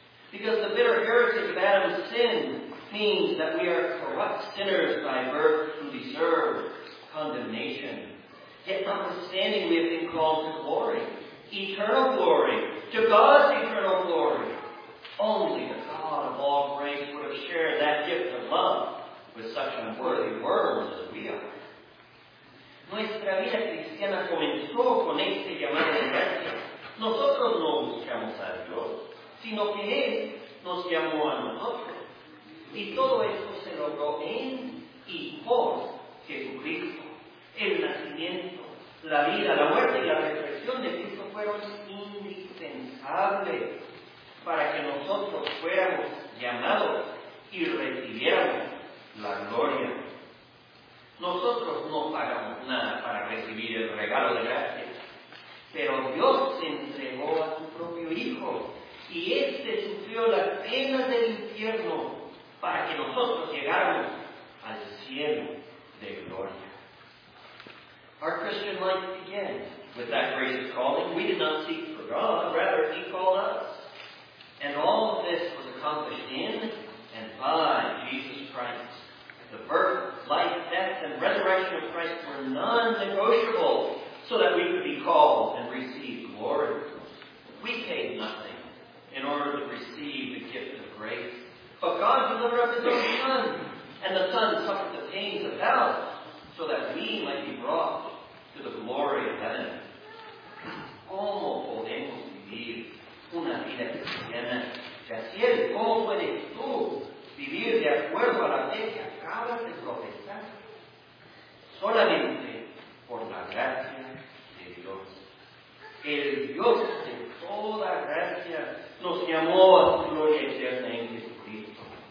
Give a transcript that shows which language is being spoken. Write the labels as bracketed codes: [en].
[en] Because the bitter heritage of Adam's sin means that we are corrupt sinners by birth who deserve condemnation. Yet notwithstanding, we have been called to glory, eternal glory, to God's eternal glory. Only the God of all grace would have shared that gift of love with such unworthy worms as we are. [es] Nuestra vida cristiana comenzó con este llamado de gracia. Nosotros no buscamos a Dios, sino que Él nos llamó a nosotros. Y todo esto se logró en y por Jesucristo. El nacimiento, la vida, la muerte y la resurrección de Cristo fueron indispensables para que nosotros fuéramos llamados y recibiéramos la gloria. Nosotros no pagamos nada para recibir el regalo de gracia, pero Dios se entregó a su propio Hijo, y este sufrió las penas del infierno para que nosotros llegáramos al cielo de gloria. [en] Our Christian life began with that gracious calling. We did not seek for God, rather He called us. And all of this was accomplished in and by Jesus Christ. The birth, life, death, and resurrection of Christ were non-negotiable so that we could be called and receive glory. We paid nothing in order to receive the gift of grace. But God delivered us His own Son, and the Son suffered the pains of hell so that we might be brought to the glory of heaven. [es] ¿Cómo podemos vivir una vida cristiana? Ya si él, ¿cómo puedes tú vivir de acuerdo a la fe que acabas de profesar? Solamente por la gracia de Dios. El Dios de toda gracia nos llamó a su gloria eterna en Jesucristo.